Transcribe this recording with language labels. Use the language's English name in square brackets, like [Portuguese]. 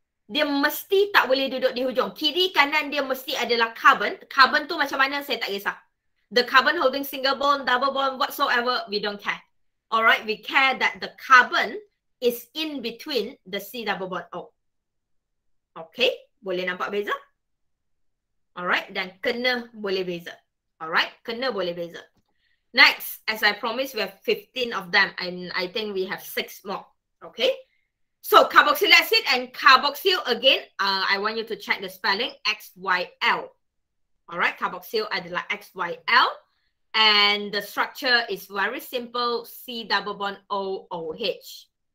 [Malay] Dia mesti tak boleh duduk di hujung. Kiri kanan dia mesti adalah carbon. Carbon tu macam mana saya tak kisah. [English] The carbon holding single bond, double bond, whatsoever, we don't care. Alright, we care that the carbon is in between the C double bond O. [Malay] Okay, boleh nampak beza? Alright, dan kena boleh beza. Alright, kena boleh beza. [English] Next, as I promised, we have 15 of them and I think we have 6 more. Okay, so carboxyl acid and carboxyl again, I want you to check the spelling XYL. Alright, carboxyl adalah XYL and the structure is very simple, C double bond OOH.